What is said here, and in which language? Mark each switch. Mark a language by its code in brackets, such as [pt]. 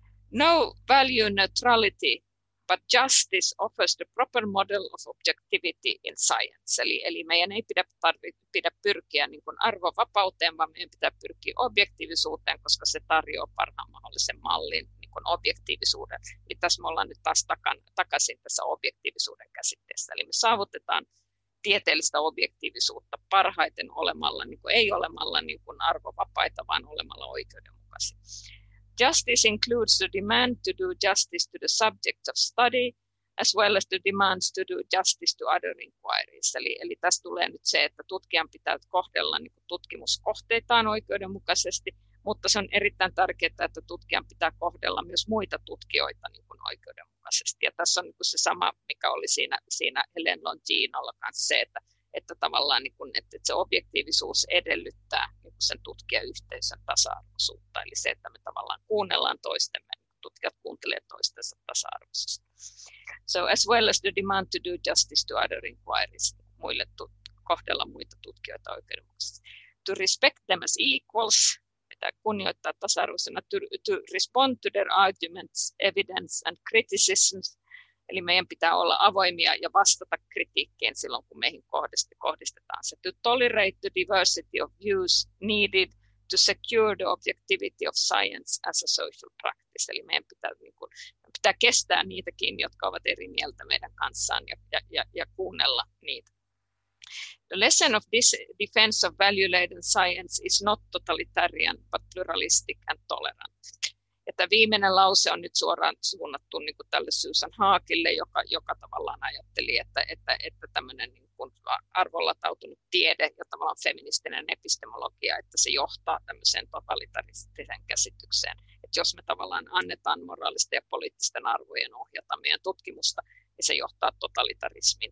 [en] No value neutrality, but justice offers the proper model of objectivity in science, [fi] eli meidän ei pidä pyrkiä niin kuin arvovapauteen, vaan meidän pitää pyrkiä objektiivisuuteen, koska se tarjoaa parhaan mahdollisen mallin objektiivisuuden. Eli tässä me ollaan nyt taas takaisin tässä objektiivisuuden käsitteessä. Eli me saavutetaan tieteellistä objektiivisuutta parhaiten olemalla, niin kuin ei olemalla niin kuin arvovapaita, vaan olemalla oikeudenmukaisia. [en] Justice includes the demand to do justice to the subject of study, as well as the demands to do justice to other inquiries. [fi] Eli tässä tulee nyt se, että tutkijan pitää kohdella niin kuin tutkimuskohteitaan oikeudenmukaisesti, mutta se on erittäin tärkeää, että tutkijan pitää kohdella myös muita tutkijoita niin kuin oikeudenmukaisesti. Ja tässä on niin kuin se sama, mikä oli siinä Helen Longinolla kanssa se, että tavallaan niin kuin, että se objektiivisuus edellyttää niin kuin sen tutkijayhteisön tasa-arvoisuutta. Eli se, että me tavallaan kuunnellaan toistemme, tutkijat kuuntelevat toistensa tasa-arvoisesti. [en] So as well as the demand to do justice to other inquiries, [fi] muille kohdella muita tutkijoita oikeudenmukaisesti. [en] To respect them as equals, [fi] että kunnioittaa tasa-arvoisena, [en] to respond to their arguments, evidence and criticisms. [fi] Eli meidän pitää olla avoimia ja vastata kritiikkiin silloin, kun meihin kohdistetaan se. [en] To tolerate the diversity of views needed to secure the objectivity of science as a social practice. [fi] Eli meidän pitää, niin kuin, pitää kestää niitäkin, jotka ovat eri mieltä meidän kanssaan ja kuunnella niitä. [en] The lesson of this defense of value-laden science is not totalitarian, but pluralistic and tolerant. [fi] Että viimeinen lause on nyt suoraan suunnattu niin kuin tälle Susan Haakille, joka tavallaan ajatteli, että tämmöinen niin kuin arvolatautunut tiede ja tavallaan feministinen epistemologia, että se johtaa tämmöiseen totalitaristiseen käsitykseen. Että jos me tavallaan annetaan moraalisten ja poliittisten arvojen ohjata meidän tutkimusta, niin se johtaa totalitarismiin.